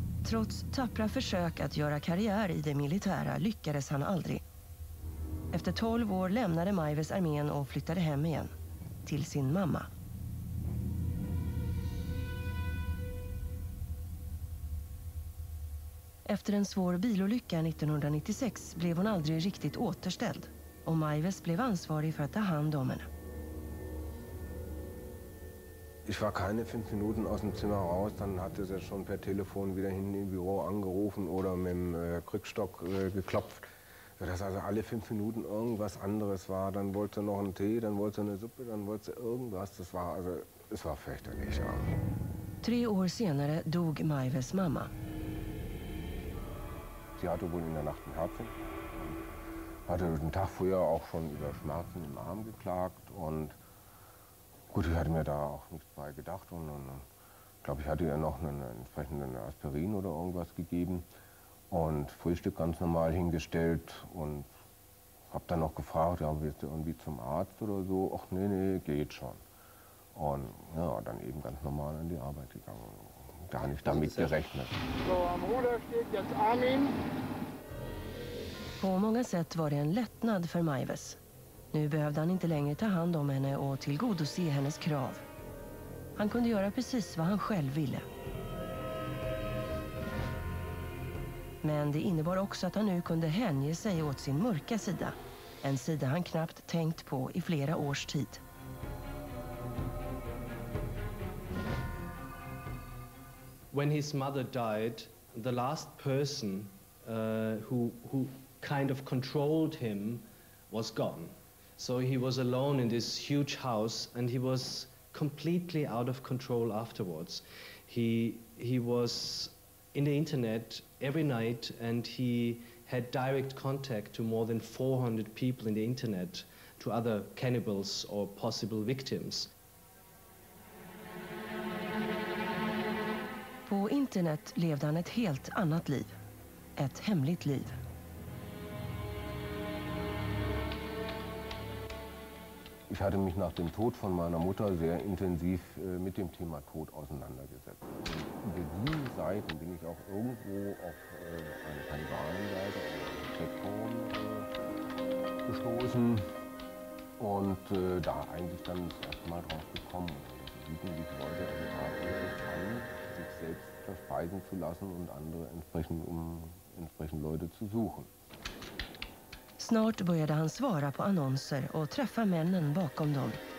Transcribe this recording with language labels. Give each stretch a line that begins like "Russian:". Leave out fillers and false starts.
Swedish: Trotz tappra Versuch, att göra Karriere i det militära, lyckades han aldrig. Efter 12 år lämnade Maives armén och flyttade hem igen till sin mamma. Efter en svår bilolycka 1996 blev hon aldrig riktigt återställd och Maives blev ansvarig för att ta hand om henne.
German: Ich war keine 5 Minuten aus dem Zimmer raus, dann hatte sie schon per Telefon wieder hinten im Büro angerufen oder mit dem Krückstock geklopft. Dass also alle 5 Minuten irgendwas anderes war, dann wollte sie noch einen Tee, dann wollte sie eine Suppe, dann wollte sie irgendwas. Das war also, es war fürchterlich. Ja.
Swedish: 3 år senare dog Maives Mama.
German: Sie hatte wohl in der Nacht einen Herzinfarkt. Hatte den Tag vorher auch schon über Schmerzen im Arm geklagt. Und gut, ich hatte mir da auch nichts bei gedacht. Und ich glaube, ich hatte ihr noch einen entsprechenden Aspirin oder irgendwas gegeben. Und Frühstück ganz normal hingestellt und habe dann noch gefragt, ja, willst du irgendwie zum Arzt oder so? Ach nee, nee, geht schon. Und ja, dann eben ganz normal an die Arbeit gegangen. Gar nicht damit gerechnet. So, am Ruder steht jetzt Armin.
Swedish: På många sätt var det en lättnad för Maives. Nu behövde han inte längre ta hand om henne och tillgodose hennes krav. Han kunde göra precis vad han själv ville. Men det innebar också att han nu kunde hänge sig åt sin mörka sida. En sida han knappt tänkt på i flera års tid.
English: When his mother died, the last person who kind of controlled him was gone. So he was alone in this huge house and he was completely out of control afterwards. He was in the internet every night and he had direct contact to more than 400 people in the internet, to other cannibals or possible victims.
Swedish: På internet levde han ett helt annat liv, ett hemligt liv.
German: Ich hatte mich nach dem Tod von meiner Mutter sehr intensiv mit dem Thema Tod auseinandergesetzt. Und über diese Seiten bin ich auch irgendwo auf eine Kannibalenseite oder einen Chatforum gestoßen und da eigentlich dann das erste Mal drauf gekommen. Also bieten sich Leute an, sich selbst verspeisen zu lassen und andere entsprechend, um entsprechend Leute zu suchen.
Swedish: Snart började han svara på annonser och träffa männen bakom dem.